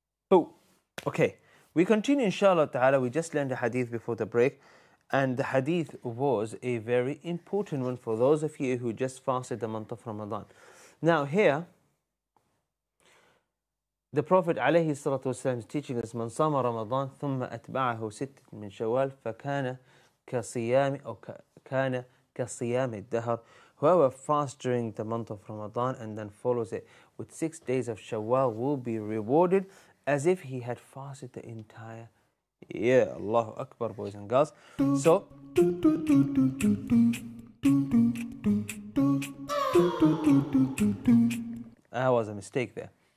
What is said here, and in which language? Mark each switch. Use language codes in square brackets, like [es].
[en] Oh, okay. We continue, inshallah ta'ala. We just learned a hadith before the break. And the hadith was a very important one for those of you who just fasted the month of Ramadan. Now here, the Prophet [ar] عليه الصلاة والسلام [en] is teaching us, [ar] من صام رمضان ثم أتبعه ستة من شوال فكان كصيام أو كان كصيام الدهر. [en] Whoever fasts during the month of Ramadan and then follows it with 6 days of Shawwal will be rewarded as if he had fasted the entire year. Allahu Akbar, boys and girls. So, that was a mistake there.